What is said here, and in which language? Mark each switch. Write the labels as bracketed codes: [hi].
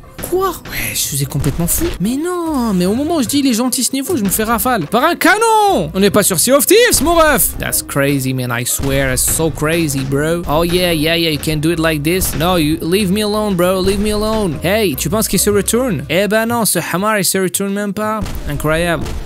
[fr] Quoi? Ouais, je faisais complètement fou. Mais non, mais au moment où je dis il est gentil ce niveau, je me fais rafale. Par un canon! On n'est pas sur Sea of Thieves, mon ref! [en] That's crazy, man, I swear, it's so crazy, bro. Oh yeah, you can do it like this. No, you leave me alone, bro, leave me alone. [fr] Hey, tu penses qu'il se retourne? Eh ben non, ce hamar, il se retourne même pas. Incroyable.